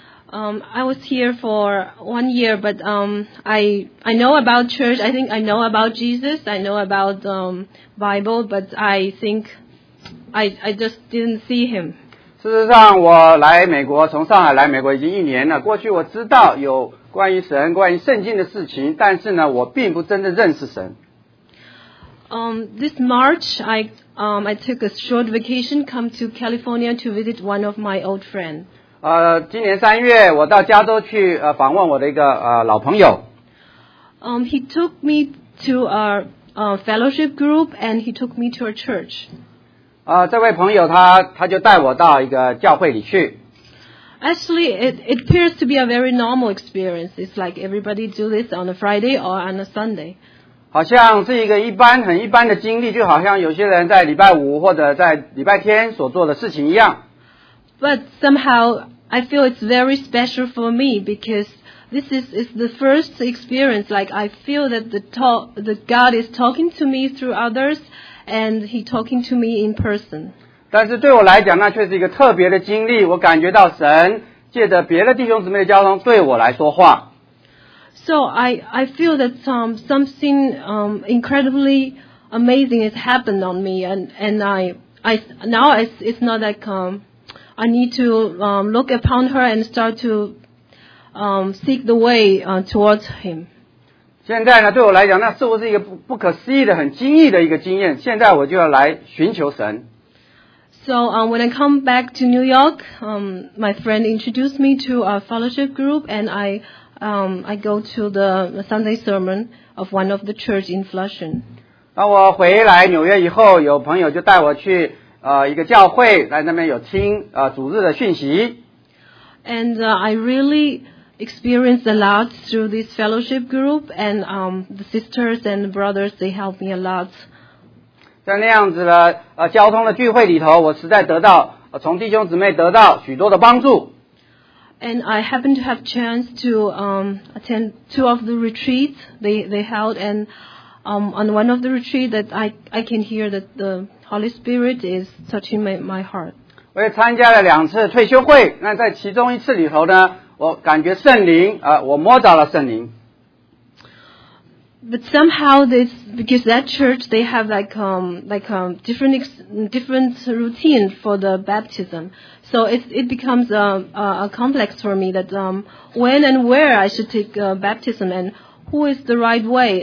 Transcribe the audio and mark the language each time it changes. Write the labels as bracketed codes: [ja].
[en] I was here for 1 year, but I know about church. I think I know about Jesus. I know about Bible, but I think I just didn't see him. [zh] 事实上我来美国从上海来美国已经一年了过去我知道有关于神关于圣经的事情但是呢我并不真的认识神。 [en] This March, I took a short vacation, come to California to visit one of my old friends. [zh] 今年三月我到加州去访问我的一个老朋友。 [en] He took me to a fellowship group and he took me to a church. [zh] 这位朋友他就带我到一个教会里去。 [en] Actually, it appears to be a very normal experience. It's like everybody do this on a Friday or on a Sunday. [zh] 好像是一个一般很一般的经历，就好像有些人在礼拜五或者在礼拜天所做的事情一样。 [en] But somehow I feel it's very special for me because this is the first experience. Like I feel that the God is talking to me through others. And he talking to me in person. [zh] 但是对我来讲，那却是一个特别的经历。我感觉到神借着别的弟兄姊妹的交通对我来说话。 [en] So I feel that something incredibly amazing has happened on me, and I now it's not like I need to look upon her and start to seek the way towards him. [zh] 现在呢对我来讲那似乎是一个 不可思议的很惊异的一个经验现在我就要来寻求神。 [en] So, when I come back to New York, my friend introduced me to a fellowship group and I go to the Sunday sermon of one of the church in Flushing. [zh] 当我回来纽约以后有朋友就带我去一个教会在那边有听主日的讯息。 [en] And I really,experienced a lot through this fellowship group and the sisters and the brothers they helped me a lot. [zh] 在那样子的交通的聚会里头我实在得到从弟兄姊妹得到许多的帮助。 [en] And I happened to have chance to attend two of the retreats they held and on one of the retreat that I can hear that the Holy Spirit is touching my heart. [zh] 我也参加了两次退休会那在其中一次里头呢我感觉圣灵我摸着了圣灵。 [en] But somehow this because that church they have like different routine for the baptism. So it becomes a complex for me that when and where I should take baptism and who is the right way.